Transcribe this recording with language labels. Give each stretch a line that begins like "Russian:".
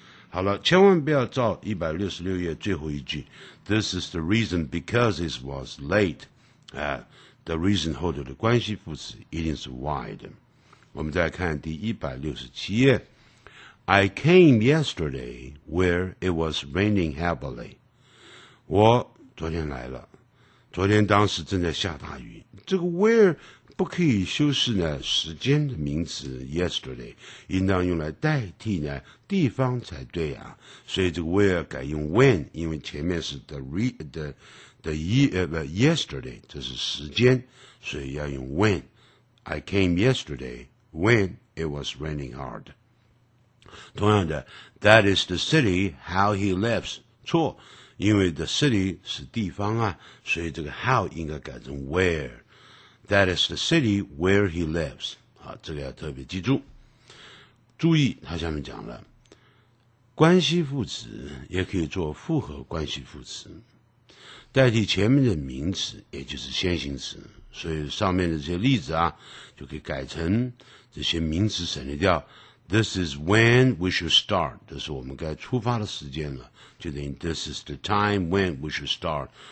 Chinese: 好了，千万不要照166页最后一句。
English: This is the reason because it was late.
Chinese: The reason 后头的关系副词一定是 why 的。我们再看第167页。
English: I came yesterday where it was raining heavily.
Chinese: 我昨天来了，昨天当时正在下大雨。这个 where 不可以修饰呢时间的名词 yesterday， 应当用来代替呢地方才对啊。所以这个 where 改用 when， 因为前面是 yesterday， 这是时间，所以要用 when。
English: I came yesterday when it was raining hard.
Chinese: 同样的
English: That is the city how he lives，
Chinese: 错，因为 the city 是地方啊，所以这个 how 应该改成 where。
English: That is the city where he lives，
Chinese: 好，这个要特别记住。注意他下面讲了，关系副词也可以做复合关系副词，代替前面的名词，也就是先行词。所以上面的这些例子啊，就可以改成这些名词省略掉。
English: This is when we should start.
Chinese: 这是我们该出发的时间了。就等于
English: This is the time when we should start.